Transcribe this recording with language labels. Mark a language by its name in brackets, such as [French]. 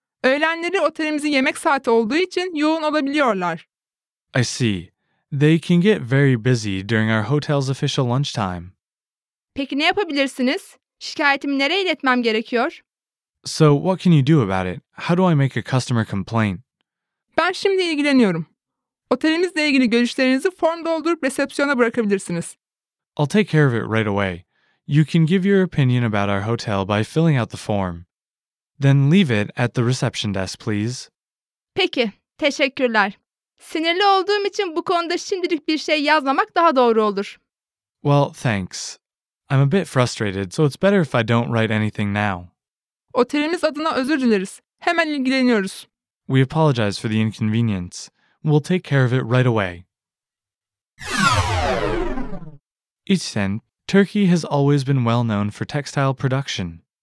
[Turkish] Öğlenleri otelimizin yemek saati olduğu için yoğun olabiliyorlar. [English] I see. They can get very busy during our hotel's official lunch time. [Turkish] Peki ne yapabilirsiniz? Şikayetimi nereye iletmem gerekiyor? [English] So, what can you do about it? How do I make a customer complaint? [Turkish] Ben şimdi ilgileniyorum. Otelimizle ilgili görüşlerinizi form doldurup resepsiyona bırakabilirsiniz. [English] I'll take care of it right away. You can give your opinion about our hotel by filling out the form. Then leave it at the reception desk, please. [Turkish] Peki, teşekkürler. Sinirli olduğum için bu konuda şimdilik bir şey yazmamak daha doğru olur. [English] Well, thanks. I'm a bit frustrated, so it's better if I don't write anything now. [Turkish] Otelimiz adına özür dileriz. Hemen ilgileniyoruz. [English] We apologize for the inconvenience. We'll take care of it right away. İçten, Turkey has always been well known for textile production.